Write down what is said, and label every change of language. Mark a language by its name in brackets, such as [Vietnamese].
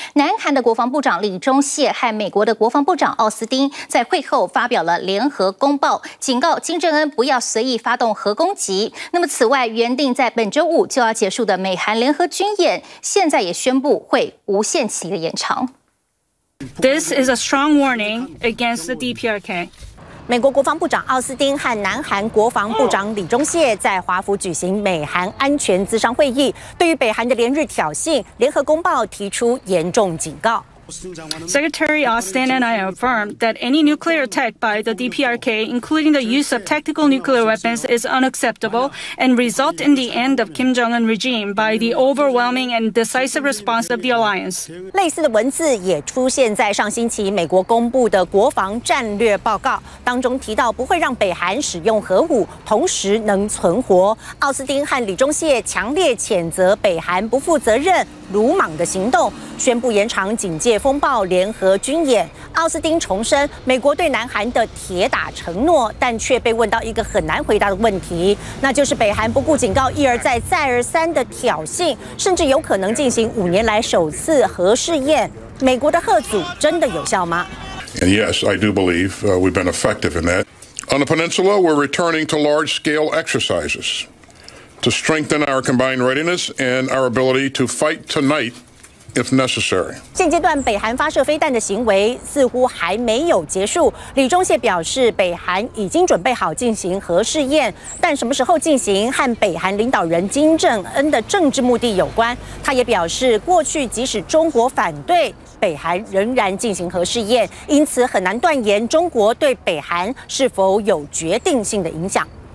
[Chinese] 南韩的国防部长李钟燮和美国的国防部长奥斯汀在会后发表了联合公报，警告金正恩不要随意发动核攻击。那么此外，原定在本周五就要结束的美韩联合军演，现在也宣布会无限期的延长。 [English] This is a strong warning against the DPRK. [Chinese] 美国国防部长奥斯汀和南韩国防部长李钟燮在华府举行美韩安全咨商会议，对于北韩的连日挑衅，联合公报提出严重警告。 [English] Secretary Austin and I affirm that any nuclear attack by the DPRK, including the use of tactical nuclear weapons, is unacceptable and result in the end of Kim Jong-un regime by the overwhelming and decisive response of the alliance. [Chinese] 类似的文字也出现在上星期美国公布的国防战略报告当中，提到不会让北韩使用核武，同时能存活。奥斯汀和李钟燮强烈谴责北韩不负责任、鲁莽的行动，宣布延长警戒风暴、联合军演。奥斯汀重申美国对南韩的铁打承诺，但却被问到一个很难回答的问题，那就是北韩不顾警告一而再、再而三的挑衅，甚至有可能进行五年来首次核试验，美国的核阻真的有效吗？ [English] Yes, I do believe we've been effective in that. On the peninsula, we're returning to large-scale exercises to strengthen our combined readiness and our ability to fight tonight. If necessary. [Chinese] 现阶段北韩发射飞弹的行为似乎还没有结束。李钟燮表示，北韩已经准备好进行核试验，但什么时候进行和北韩领导人金正恩的政治目的有关。他也表示，过去即使中国反对，北韩仍然进行核试验，因此很难断言中国对北韩是否有决定性的影响。